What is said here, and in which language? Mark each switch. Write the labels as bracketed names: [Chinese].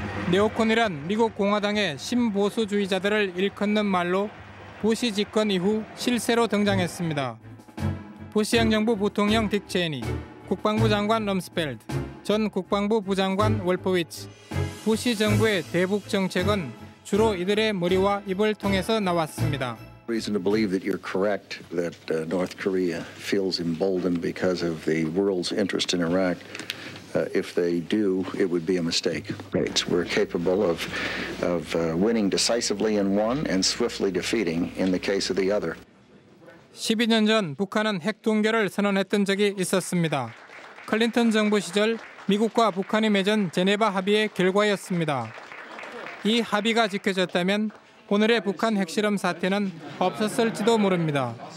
[Korean] 네오콘이란 미국 공화당의 신보수주의자들을 일컫는 말로 부시 집권 이후 실세로 등장했습니다. 부시 행정부 부통령 딕 체니, 국방부 장관 럼스펠드, 전 국방부 부장관 월포위츠, 부시 정부의 대북 정책은 주로 이들의 머리와 입을 통해서 나왔습니다. [English] Reason to believe that you're correct that North Korea feels emboldened because of the world's interest in Iraq. If they do, it would be a mistake. Right. We're capable of winning decisively in one and swiftly defeating in the case of the other. [Korean] 12년 전 북한은 핵 동결을 선언했던 적이 있었습니다. 클린턴 정부 시절 미국과 북한이 맺은 제네바 합의의 결과였습니다. 이 합의가 지켜졌다면 오늘의 북한 핵실험 사태는 없었을지도 모릅니다.